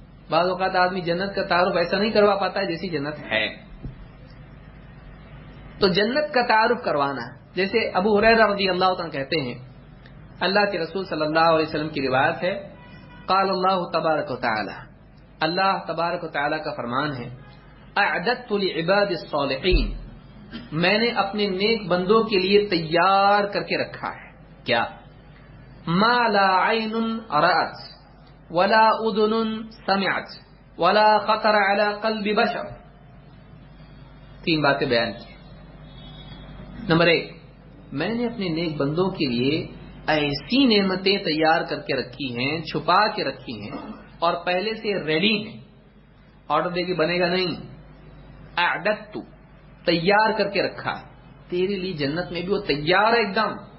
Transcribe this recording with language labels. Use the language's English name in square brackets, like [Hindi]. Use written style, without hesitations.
[Urdu] بعض اوقات آدمی جنت کا تعارف ایسا نہیں کروا پاتا ہے جیسی جنت ہے, تو جنت کا تعارف کروانا, جیسے ابو ہریرہ رضی اللہ عنہ کہتے ہیں اللہ کے رسول صلی اللہ علیہ وسلم کی روایت ہے, قال اللہ تبارک و تعالی, اللہ تبارک و تعالی کا فرمان ہے, [Arabic] اعددت لعباد الصالحین, [Urdu] میں نے اپنے نیک بندوں کے لیے تیار کر کے رکھا ہے. کیا؟ [Arabic] ما لا عين رأت ولا أذن سمعت ولا خطر على قلب بشر. [Urdu] تین باتیں بیان کی. نمبر ایک, میں نے اپنے نیک بندوں کے لیے ایسی نعمتیں تیار کر کے رکھی ہیں, چھپا کے رکھی ہیں اور پہلے سے ریڈی ہیں, آرڈر دے کے بنے گا نہیں, اعددت, تیار کر کے رکھا تیرے لیے جنت میں بھی, وہ تیار ہے ایک دم.